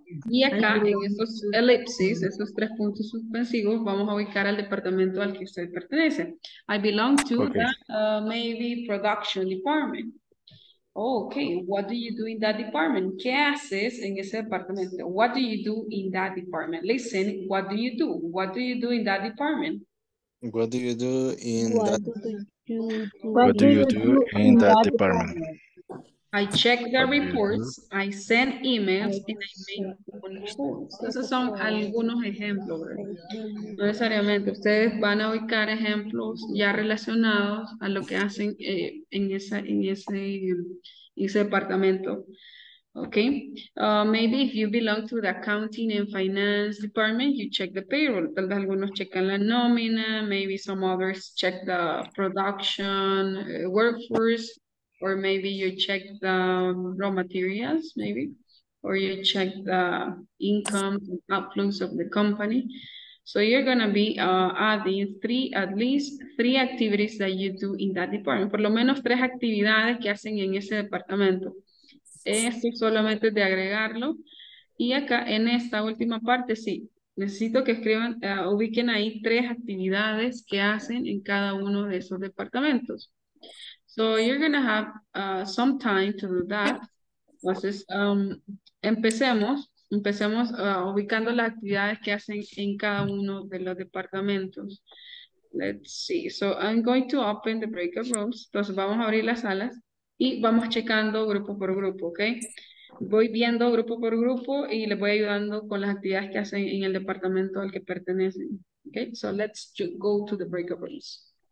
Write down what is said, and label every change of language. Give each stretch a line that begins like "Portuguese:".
Spanish: Y acá, en esos elipses, esos tres puntos suspensivos, vamos a ubicar al departamento al que usted pertenece.
English: I belong to the, maybe, production department. Oh, okay, what do you do in that department?
Spanish: ¿Qué haces en ese departamento?
English: What do you do in that department? Listen, what do you do? What do you do in that department? What do you do in what that? What do you do in that department? I check the reports, I send emails, and I make phone calls.
Spanish: Esos son algunos ejemplos, ¿verdad? No necesariamente. Ustedes van a ubicar ejemplos ya relacionados a lo que hacen en ese departamento.
English: Okay. Maybe if you belong to the accounting and finance department, you check the payroll.
Spanish: Tal vez algunos checan la nómina.
English: Maybe some others check the production, workforce. Or maybe you check the raw materials, maybe. Or you check the income and outflows of the company. So you're going to be adding at least three activities that you do in that department.
Spanish: Por lo menos tres actividades que hacen en ese departamento. Esto solamente es de agregarlo. Y acá en esta última parte, sí. Necesito que escriban, ubiquen ahí tres actividades que hacen en cada uno de esos departamentos.
English: So you're going to have some time to do that.
Spanish: Entonces, empecemos ubicando las actividades que hacen en cada uno de los departamentos.
English: Let's see. So I'm going to open the breakout rooms.
Spanish: Entonces vamos a abrir las salas y vamos checando grupo por grupo, ¿ok? Voy viendo grupo por grupo y les voy ayudando con las actividades que hacen en el departamento al que pertenecen, ¿ok?
English: So let's go to the breakout rooms.